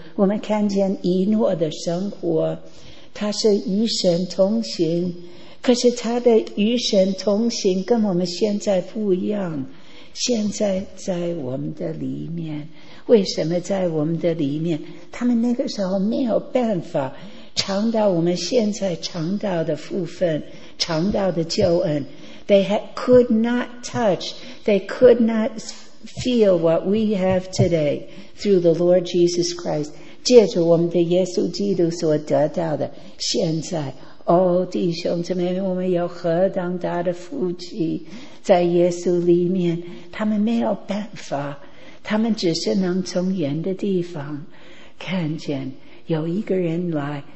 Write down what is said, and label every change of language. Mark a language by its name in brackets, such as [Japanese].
[Chinese] 我们看见以诺的生活，他是与神同行，可是他的与神同行跟我们现在不一样。现在在我们的里面，为什么在我们的里面？他们那个时候没有办法尝到我们现在尝到的福分，尝到的救恩。 [English] They could not touch, they could not feel what we have today through the Lord Jesus Christ. [Chinese] 借着我们的耶稣基督所得到的，现在，哦，弟兄姊妹，我们有何等大的福气，在耶稣里面，他们没有办法，他们只是能从远的地方看见有一个人来。